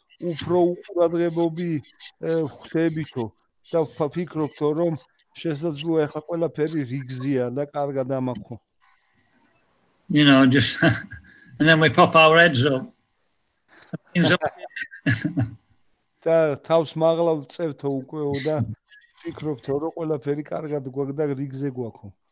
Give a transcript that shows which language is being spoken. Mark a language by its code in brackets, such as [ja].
[ka] უფრო უყურადღებობი ხდებითო და ფიქრობთო რომ შესაძლოა ახლა ყველაფერი რიგზია და კარგად ამახო [en] you know just and then we pop our heads up [ka] და თავს მაღლავ წევთო უკვეო და ფიქრობთო რომ ყველაფერი კარგად გვაქვს და რიგზე გვაქვს